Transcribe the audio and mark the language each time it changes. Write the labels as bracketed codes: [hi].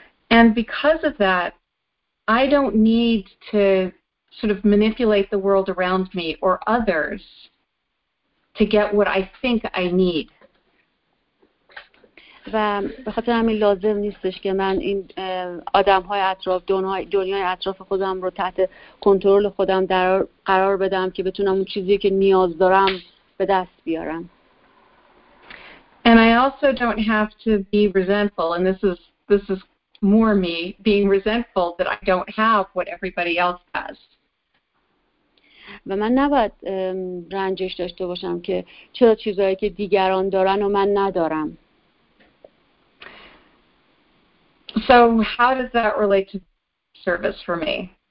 [en] And because of that, I don't need to sort of manipulate the world around me or others to get what I think I need. [fa] و به خاطر همین لازم نیستش که من این آدم‌های اطراف، دنیای اطراف خودم رو تحت کنترل خودم قرار بدم که بتونم اون چیزی که نیاز دارم به دست بیارم. [en] And I also don't have to be resentful, and this is more me being resentful that I don't have what everybody else has. [fa] و من نباید رنجش داشته باشم که چرا چیزایی که دیگران دارن و من ندارم. [en] So how does that relate to service for me?